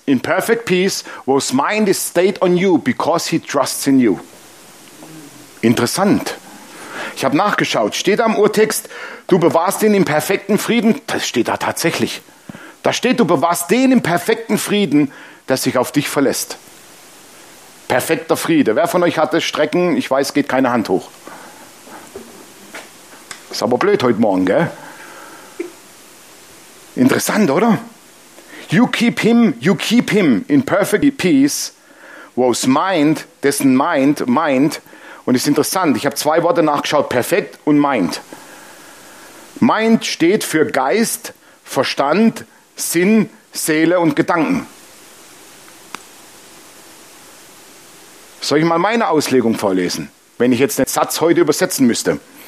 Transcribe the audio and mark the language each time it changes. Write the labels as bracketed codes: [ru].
[en] In perfect peace, whose mind is stayed on you, because he trusts in you. [de] Interessant. Ich habe nachgeschaut. Steht da im Urtext, du bewahrst ihn im perfekten Frieden? Das steht da tatsächlich. Da steht, du bewahrst den im perfekten Frieden, der sich auf dich verlässt. Perfekter Friede. Wer von euch hatte Strecken? Ich weiß, geht keine Hand hoch. Ist aber blöd heute Morgen, gell? Interessant, oder? [en] You keep him in perfect peace, whose mind, [de] dessen mind, meint. Und ist interessant, ich habe zwei Worte nachgeschaut, perfekt und mind. Mind steht für Geist, Verstand, Sinn, Seele und Gedanken. Soll ich mal meine Auslegung vorlesen, wenn ich jetzt den Satz heute übersetzen müsste?